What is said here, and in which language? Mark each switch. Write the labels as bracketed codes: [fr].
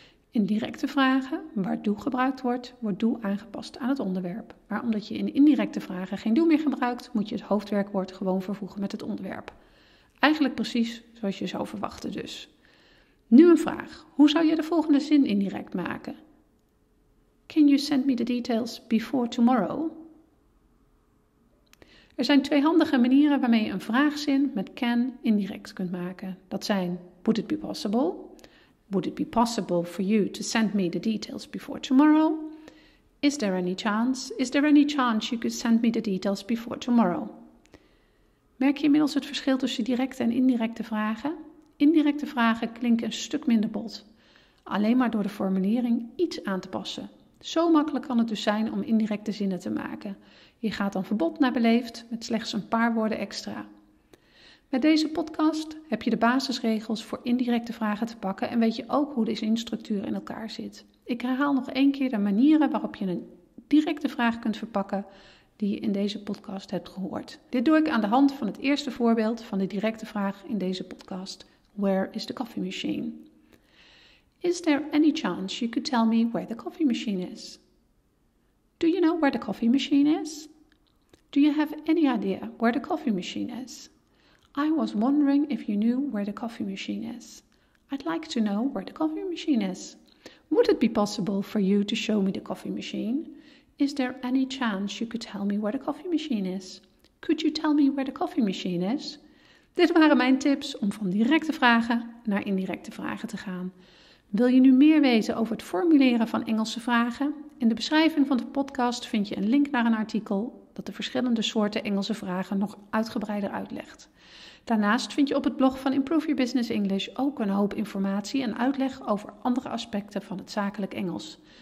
[nl] In directe vragen, waar do gebruikt wordt, wordt do aangepast aan het onderwerp. Maar omdat je in indirecte vragen geen do meer gebruikt, moet je het hoofdwerkwoord gewoon vervoegen met het onderwerp. Eigenlijk precies zoals je zou verwachten dus. Nu een vraag. Hoe zou je de volgende zin indirect maken? [en] Can you send me the details before tomorrow? [nl] Er zijn twee handige manieren waarmee je een vraagzin met can indirect kunt maken. Dat zijn, would it be possible? [en] Would it be possible for you to send me the details before tomorrow? Is there any chance? Is there any chance you could send me the details before tomorrow? [nl] Merk je inmiddels het verschil tussen directe en indirecte vragen? Indirecte vragen klinken een stuk minder bot. Alleen maar door de formulering iets aan te passen. Zo makkelijk kan het dus zijn om indirecte zinnen te maken. Je gaat dan van bot naar beleefd met slechts een paar woorden extra. Met deze podcast heb je de basisregels voor indirecte vragen te pakken en weet je ook hoe de zinstructuur in elkaar zit. Ik herhaal nog één keer de manieren waarop je een directe vraag kunt verpakken die je in deze podcast hebt gehoord. Dit doe ik aan de hand van het eerste voorbeeld van de directe vraag in deze podcast. [en] Where is the coffee machine? Is there any chance you could tell me where the coffee machine is? Do you know where the coffee machine is? Do you have any idea where the coffee machine is? I was wondering if you knew where the coffee machine is. I'd like to know where the coffee machine is. Would it be possible for you to show me the coffee machine? Is there any chance you could tell me where the coffee machine is? Could you tell me where the coffee machine is? [nl] Dit waren mijn tips om van directe vragen naar indirecte vragen te gaan. Wil je nu meer weten over het formuleren van Engelse vragen? In de beschrijving van de podcast vind je een link naar een artikel dat de verschillende soorten Engelse vragen nog uitgebreider uitlegt. Daarnaast vind je op het blog van Improve Your Business English ook een hoop informatie en uitleg over andere aspecten van het zakelijk Engels.